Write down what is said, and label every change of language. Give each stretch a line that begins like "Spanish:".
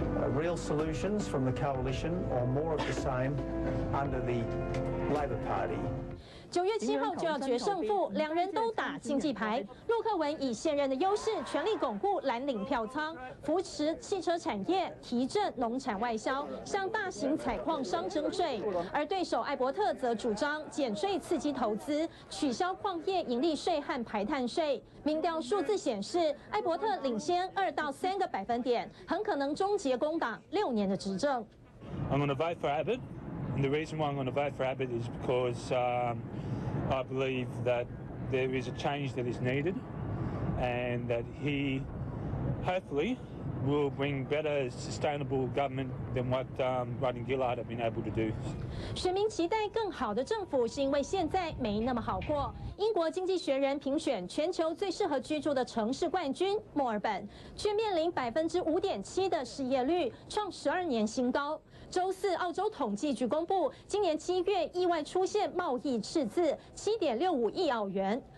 English: Real solutions from the coalition or more of the same under the Labor Party.
Chinese: 9月7号就要决胜负，两人都打经济牌。陆克文以现任的优势，全力巩固蓝领票仓，扶持汽车产业，提振农产外销，向大型采矿商征税。而对手艾伯特则主张减税刺激投资，取消矿业盈利税和排碳税。民调数字显示，艾伯特领先2到3个百分点，很可能终结工党6年的执政。
English: I'm going to vote for Abbott. And the reason why I'm going to vote for Abbott is because I believe that there is a change that is needed and that he hopefully will bring better sustainable government than what Rodney Gillard have been able to do.
Chinese: 选民期待更好的政府是因为现在没那么好过。英国经济学人评选全球最适合居住的城市冠军墨尔本，却面临5.7%的失业率，创12年新高。周四，澳洲统计局公布，今年7月意外出现贸易赤字7.65亿澳元。